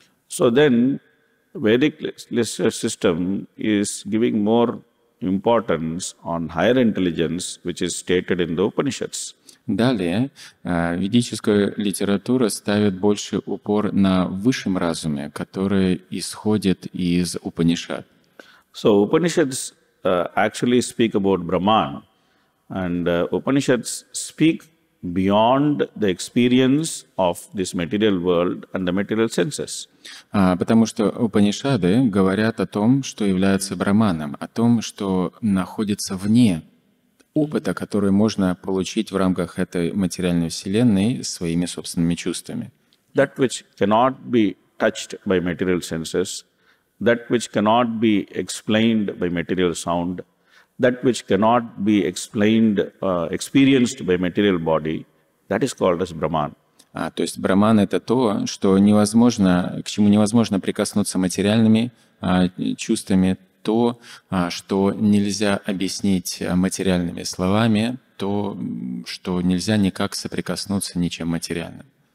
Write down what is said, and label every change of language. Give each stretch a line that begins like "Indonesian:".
English: So then Vedic system is giving more importance on higher intelligence, which is stated in the Upanishads.
Russian: Далее, ведическая литература ставит больше упор на высшем разуме, который исходит из Упанишад.
English: So Upanishads actually speak about Brahman, and Upanishads speak beyond the experience of this material world and the material senses.
Russian: Потому что Упанишады говорят о том, что является Брахманом, о том, что находится вне опыта, который можно получить в рамках этой материальной вселенной своими собственными чувствами.
English: That which cannot be touched by material senses, that which cannot be explained by material sound, that which cannot be explained, experienced by material body, that is called as Brahman.
Russian: То есть Брахман — это то, что невозможно, к чему невозможно прикоснуться материальными чувствами, то, что нельзя объяснить материальными словами, то, что нельзя никак соприкоснуться ничем материальным.